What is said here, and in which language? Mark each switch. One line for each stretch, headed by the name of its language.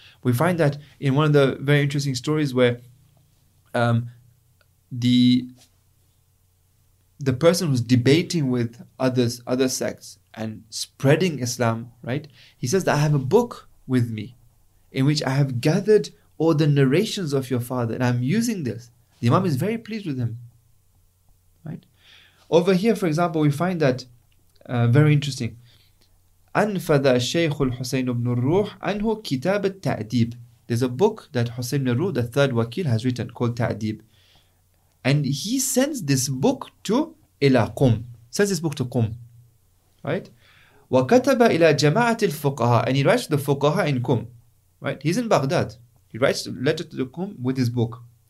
English: We find that in one of the very interesting stories where the person who's debating with other sects and spreading Islam, right? He says that I have a book with me in which I have gathered all the narrations of your father and I'm using this. The imam is very pleased with him, right? Over here, for example, we find that very interesting.
Arabic: أَنْفَذَ شَيْخُ الْحُسَيْنُ بْنُ الرُّوحِ عَنْهُ كِتَابَ التَّعْدِيبِ.
English: There's a book that Hussein ibn Ruh, the third wakil, has written called Ta'dib. And he sends this book to إِلَى قُمْ. Sends this book to قُمْ. Right?
Arabic: وَكَتَبَ إِلَى جَمَاعَةِ الْفُقَهَا.
English: And he writes to the fuqaha in قُمْ. Right? He's in Baghdad. He writes a letter to the قُمْ with his book.